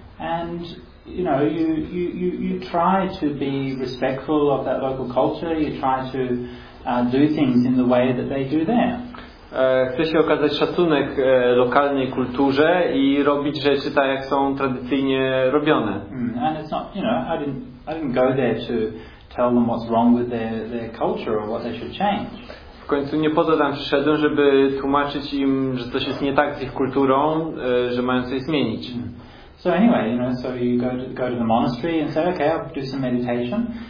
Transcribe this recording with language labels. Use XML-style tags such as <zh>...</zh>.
<en>And you try to be respectful of that local culture. You try to do things in the way that they do there.</en> <pl>Chce się okazać szacunek lokalnej kulturze i robić rzeczy tak, jak są tradycyjnie robione.</pl> <en>And it's not, I didn't go there to tell them what's wrong with their culture or what they should change.</en> <pl>W końcu nie po to tam przyszedłem, żeby tłumaczyć im, że coś jest nie tak z ich kulturą, że mają coś zmienić.</pl> <en>So anyway, so you go to the monastery and say, okay, I'll do some meditation.</en>